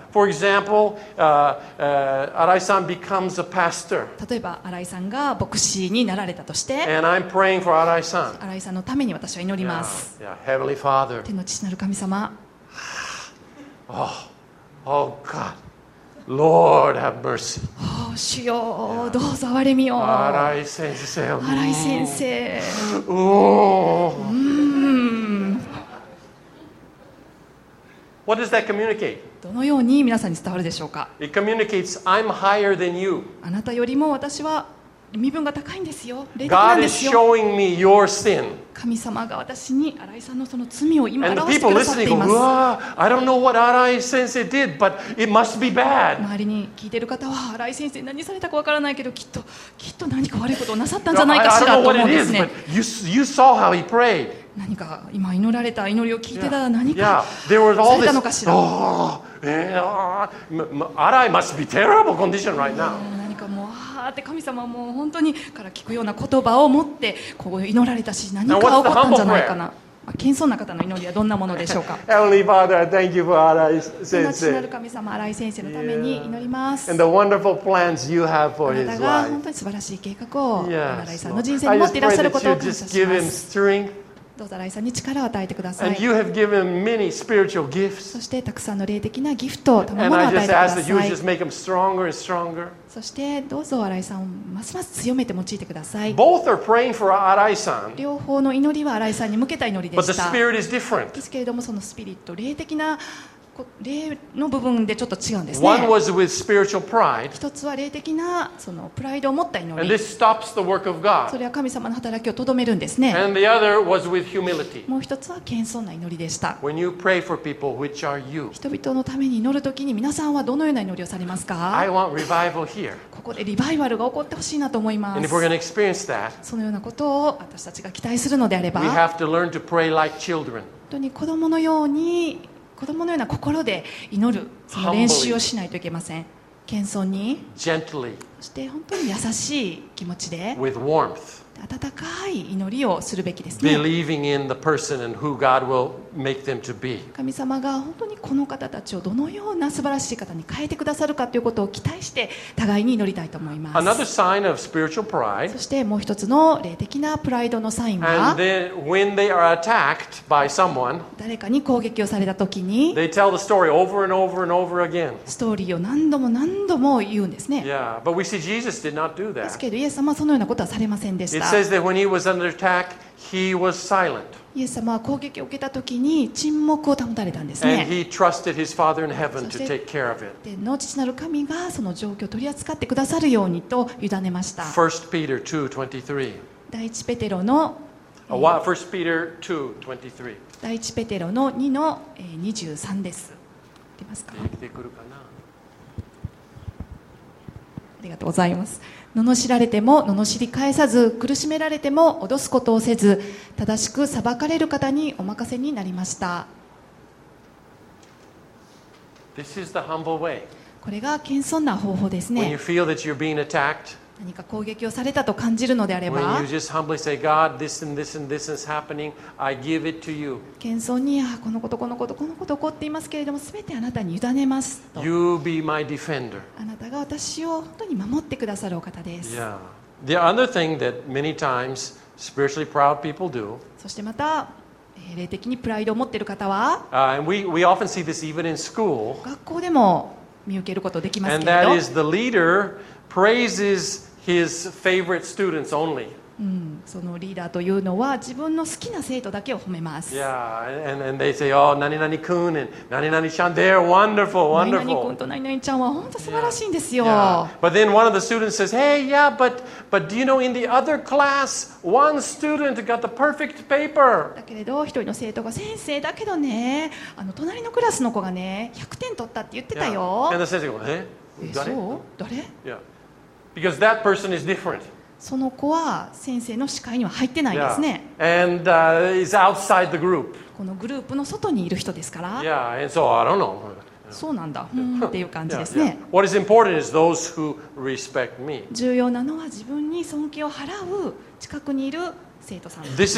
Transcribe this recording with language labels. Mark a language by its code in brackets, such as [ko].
[en] For example, Arai-san becomes a pastor. [ja] 例えば新井さんが牧師になられたとして、 [en] and I'm praying for Arai-san. [ja] 新井さんのために私は祈ります。 [en] Yeah. Heavenly Father. [ja] 天の父なる神様、 [en] Oh, oh God, Lord have mercy. [ja] Oh, 主よ、どうぞ憐れみよ。新井先生。新井先生。おー。 [en] What does that communicate? [ja] どのように皆さんに伝わるでしょうか。 [en] It communicates, I'm higher than you. [ja] あなたよりも私は身分が高いんですよ。 [en] God is showing me your sin. [ja] 神様が私に新井さんのその罪を今表してくださっています。 [en] I don't know what 先生 did, but it must be bad. [ja] 周りに聞いている方は新井先生何されたかわからないけどきっと何か悪いことをなさったんじゃないかしらと思うんですね。 [en] You saw how he prayed. [ja] 何か今祈られた祈りを聞いてたら何かされたのかしら。 [en] Yeah. 新井 must be terrible condition right now. [ja] 何かもう。って神様も本当にから聞くような言葉を持ってこう祈られたし何か起こったんじゃないかな。謙遜な方の祈りはどんなものでしょうか。 [en] Heavenly Father, thank you for 新井先生。 [ja] なる神様、新井先生のために祈ります。 [en] And the wonderful plans you have for his life. [ja] あなたが本当に素晴らしい計画を新井さんの人生に持っていらっしゃることを感謝します。 [en] I just pray that you just give him strength. [ja] どうぞ新井さんに力を与えてください。 [en] And you have given many spiritual gifts. [ja] そしてたくさんの霊的なギフトを賜物を与えてください。 [en] And I just ask that you just make them stronger and stronger. [ja] そしてどうぞ新井さんをますます強めて用いてください。 [en] Both are praying for 新井さん。 [ja] 両方の祈りは新井さんに向けた祈りでした。 [en] But the spirit is different. [ja] ですけれどもそのスピリット霊的な霊の部分でちょっと違うんですね。 [en] One was with spiritual pride. [ja] 一つは霊的なそのプライドを持った祈り。 [en] And this stops the work of God. [ja] それは神様の働きをとどめるんですね。 [en] And the other was with humility. [ja] もう一つは謙遜な祈りでした。 [en] When you pray for people, which are you? [ja] 人々のために祈るときに皆さんはどのような祈りをされますか？ [en] I want revival here. [ja] ここでリバイバルが起こってほしいなと思います。 [en] And if we're going to experience that, [ja] そのようなことを私たちが期待するのであれば、 [en] we have to learn to pray like children. [ja] 本当に子供のように。子供のような心で祈るその練習をしないといけません。謙遜に、 [en] Gently. [ja] そして本当に優しい気持ちで、 [en] With warmth. [ja] 温かい祈りをするべきですね。 [en] Believing in the person and who God will make them to be. [ja] 神様が本当にこの方たちをどのような素晴らしい方に変えてくださるかということを期待して互いに祈りたいと思います。 [en] Another sign of spiritual pride. [ja] そしてもう一つの霊的なプライドのサインは、 [en] And then when they are attacked by someone, [ja] 誰かに攻撃をされたときに、 [en] They tell the story over and over and over again. [ja] ストーリーを何度も何度も言うんですね。 [en] Yeah, but we see Jesus did not do that. [ja] ですけどイエス様はそのようなことはされませんでした。 [en] It says that when he was under attack, he was silent. [ja] イエス様は攻撃を受けた時に沈黙を保たれたんですね。 [en] And he trusted his Father in heaven to take care of it. [ja] 天の父なる神がその状況を取り扱ってくださるようにと委ねました。 [en] First Peter 2:23. [ja] 第一ペテロの First Peter 2:23. 第一ペテロの2の23です。出ますか？出てくるかな？ありがとうございます。罵られても罵り返さず、苦しめられても脅すことをせず、正しく裁かれる方にお任せになりました。 [en] This is the humble way. [ja] これが謙遜な方法ですね。 [en] When you feel that you're being attacked, [ja] 何か攻撃をされたと感じるのであれば、 [en] When you just humbly say, God, this and this and this is happening, I give it to you. [ja] 謙遜に、このことこのことこのこと起こっていますけれども、全てあなたに委ねますと。 [en] You be my defender. [ja] あなたが私を本当に守ってくださるお方です。 [en] Yeah. The other thing that many times spiritually proud people do, [ja] そしてまた霊的にプライドを持っている方は、 [en] we often see this even in school, [ja] 学校でも見受けることできますけれど、 [en] And that is the leader praises his favorite students only. [ja] そのリーダーというのは自分の好きな生徒だけを褒めます。 [en] Yeah, and they say, oh, 何々君 and 何々ちゃん they're wonderful, wonderful. [ja] 何々君と何々ちゃんは本当素晴らしいんですよ。 [en] Yeah. But then one of the students says, hey, yeah, but do you know in the other class, one student got the perfect paper. [ja] だけれど一人の生徒が先生だけどね、あの隣のクラスの子がね、100点取ったって言ってたよ。 [en] Yeah. And the [ja] 先生が、誰？誰？ [en] Yeah. Because that person is different. [ja] その子は先生の視界には入ってないですね。 [en] Yeah. And, is outside the group. [ja] このグループの外にいる人ですから。 [en] Yeah. And so, I don't know. [ja] そうなんだ。うんっていう感じですね。 [en] Yeah. What is important is those who respect me. [ja] 重要なのは自分に尊敬を払う近くにいる生徒さんです。